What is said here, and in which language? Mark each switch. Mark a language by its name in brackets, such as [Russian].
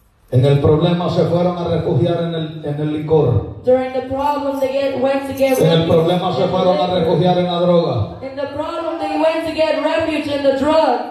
[Spanish] En el problema se fueron a refugiar en el licor. [English] During the problem they went to get refuge. [Spanish] En el problema se fueron a refugiar en la droga. [English] In the problem they went to get refuge in the drug.